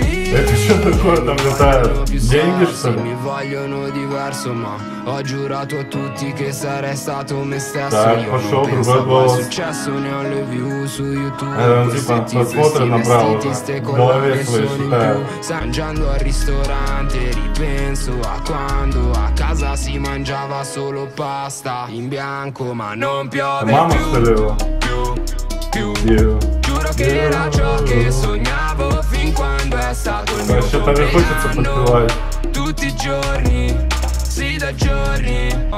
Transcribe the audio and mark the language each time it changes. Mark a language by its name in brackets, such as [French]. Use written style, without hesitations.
[Russian] Это что такое там летает? Деньги что ли? [Italian] Mi vogliono diverso, ma ho giurato a tutti che sarei stato me stesso. [Russian] Так, пошел другой голос. [Italian] Successo ne ho le view su YouTube. [Russian] Это он типа посмотрит на право. Голове свои считает. [Italian] Sta mangiando al ristorante, ripenso a quando a casa si mangiava solo pasta in bianco, ma non piove più. [Russian] Мама стрелила. [Italian] Giuro che era ciò che sognavo. [Russian] Вообще-то мне хочется подпевать. [Italian] Tutti i giorni, sì da giorni.